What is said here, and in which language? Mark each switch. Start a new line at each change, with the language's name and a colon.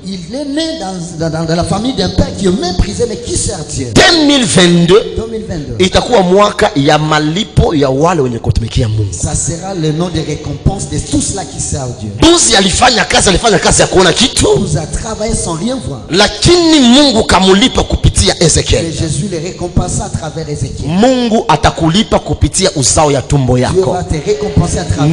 French: Il est né dans la famille d'un père qui est méprisé mais qui sert Dieu.
Swahili: 2022 itakuwa mwaka ya malipo ya wale wenye kutumikia Mungu.
French: Ça sera le nom de récompense de tous ceux qui servent Dieu.
Swahili: Buzi alifanya kazi ya kuona kitu.
French: Buzi a travaillé sans rien voir.
Swahili: Lakini Mungu kamulipa kupitia Ezekiel.
French: Et Jésus le récompensa à travers Ezekiel.
Swahili: Mungu atakulipa kupitia uzao ya tumbo yako.
French: Dieu va te récompenser à travers.